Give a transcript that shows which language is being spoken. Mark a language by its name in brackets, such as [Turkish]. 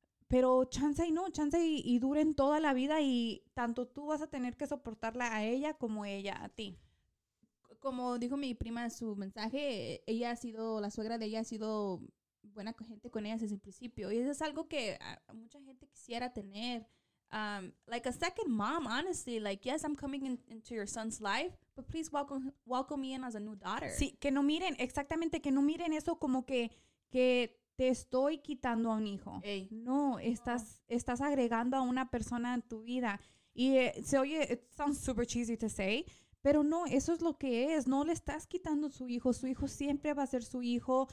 [Spanish] Pero chance y no, chance y duren toda la vida y tanto tú vas a tener que soportarla a ella como ella a ti. Como dijo mi prima en su mensaje, la suegra de ella ha sido buena gente con ella desde el principio. Y eso es algo que mucha gente quisiera tener, [English] like a second mom, honestly. Like, yes, I'm coming in, into your son's life, but please welcome me in as a new daughter. [Spanish] Sí, que no miren, exactamente, que no miren eso como que te estoy quitando a un hijo. [English] Hey. [Spanish] No, estás agregando a una persona en tu vida. Y se oye, [English] it sounds super cheesy to say, [Spanish] pero no, eso es lo que es. No le estás quitando su hijo. Su hijo siempre va a ser su hijo.